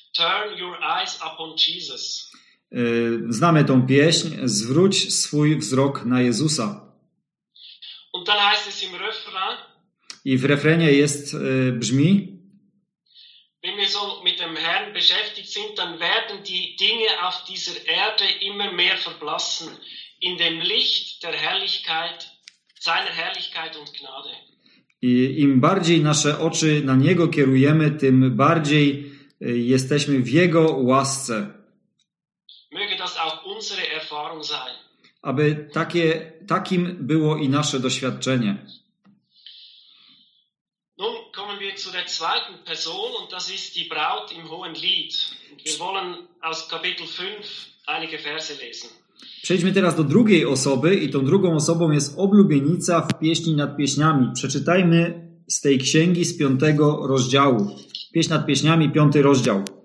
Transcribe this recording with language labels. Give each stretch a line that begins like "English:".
English: Turn your eyes upon Jesus.
Polish: Znamy tą pieśń. Zwróć swój wzrok na Jezusa.
German: Und dann heißt es im Refrain,
Polish: i w refrenie jest brzmi.
German: Wenn wir so mit dem Herrn beschäftigt sind, dann werden die Dinge auf dieser Erde immer mehr verblassen in dem Licht der Herrlichkeit, seiner Herrlichkeit und Gnade.
Polish: I im bardziej nasze oczy na Niego kierujemy, tym bardziej jesteśmy w Jego łasce.
German: Möge das auch unsere Erfahrung sein.
Polish: Aby takim było i nasze doświadczenie.
German: Nun kommen wir zu der zweiten Person und das ist die Braut im Hohen Lied. Wir wollen aus Kapitel 5 einige Verse lesen.
Polish: Przejdźmy teraz do drugiej osoby i tą drugą osobą jest oblubienica w Pieśni nad Pieśniami. Przeczytajmy z tej księgi z 5 rozdziału. Pieśń nad Pieśniami, 5 rozdział.